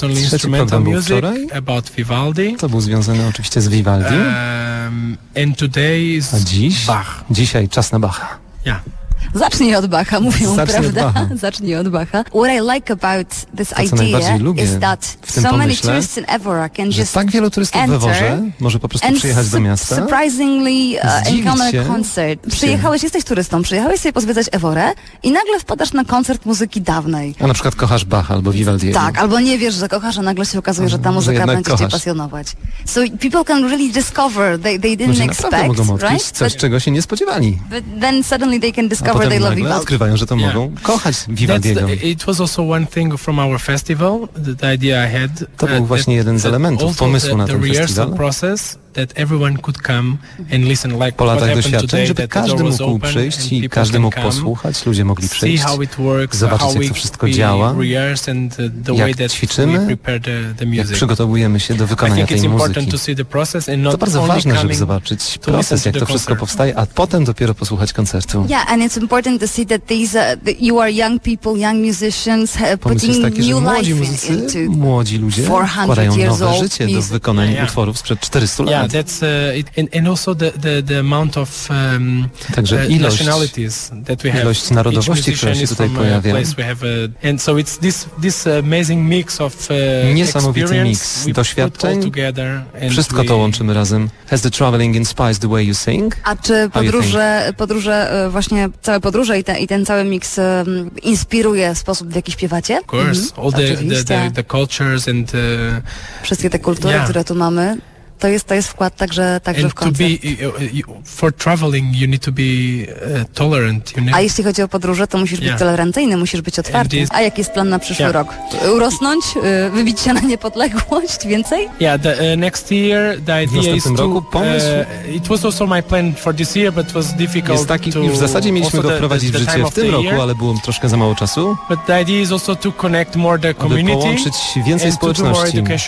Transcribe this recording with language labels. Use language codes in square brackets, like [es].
[pl] Trzeci program był wczoraj, [en] about Vivaldi. [pl] To był związany oczywiście z Vivaldi. [en] And today is Bach. [pl] Dzisiaj czas na Bacha. [en] Yeah. [pl] Zacznij od Bacha, mówią, prawda? Zacznij od Bacha. [en] What I like about this idea is that so many tourists in Evora can just [pl] tak wielu turystów w Eworze może po prostu przyjechać do miasta. [en] Surprisingly, encounter a concert. [pl] Przyjechałeś, jesteś turystą, przyjechałeś sobie pozwiedzać Evorę i nagle wpadasz na koncert muzyki dawnej. A na przykład kochasz Bacha albo Vivaldi. Tak, albo nie wiesz, że kochasz, a nagle się okazuje, że ta muzyka będzie cię pasjonować. [en] So people can really discover they didn't [pl] ludzie [en] expect, [pl] mogą odkryć [en] right? [pl] coś, czego się nie spodziewali. [en] But then suddenly they can discover. [pl] A potem nagle odkrywają, że to mogą kochać Vivaldiego. [en] It was also one thing from our festival, the idea I had. [pl] To był właśnie jeden z elementów pomysłu na ten festiwal. [en] That everyone could come and listen, like [pl] po latach doświadczeń, żeby każdy mógł przyjść i każdy mógł posłuchać, ludzie mogli przyjść, [en] see how it works, [pl] zobaczyć, jak to wszystko działa, jak ćwiczymy, jak przygotowujemy się do wykonania tej muzyki. To bardzo ważne, żeby zobaczyć proces, jak to wszystko powstaje, a potem dopiero posłuchać koncertu. [en] Yeah, and it's important to see that these you are young people, young musicians, putting new life into 400 years old. [pl] Wkładają nowe życie do wykonania utworów sprzed 400 lat. [en] Yeah, Yeah, that's it, and also the amount of [pl] także ilość, [en] nationalities that we have. [pl] Ilość narodowości, które się tutaj pojawiają. [en] And so it's this amazing mix of [pl] niesamowity mix doświadczeń. Wszystko to łączymy razem. [en] Has the traveling inspired the way you sing? [pl] A czy podróże właśnie całe podróże i ten cały mix inspiruje sposób, w jaki śpiewacie? [en] Of course, all the cultures and [pl] wszystkie te kultury, yeah, które tu mamy. To jest wkład także w koncert. [en] For traveling you need to be tolerant, you know? [pl] A jeśli chodzi o podróże, to musisz być tolerancyjny, musisz być otwarty. A jaki jest plan na przyszły rok? Urosnąć, wybić się na niepodległość, więcej? [en] Yeah, the next year the idea is to it was also my plan for this year, but it was difficult. [pl] Jest taki, już w zasadzie mieliśmy go wprowadzić w życie w tym roku, ale było troszkę za mało czasu. [en] But the idea is also to connect more the community, [pl] połączyć więcej społeczności.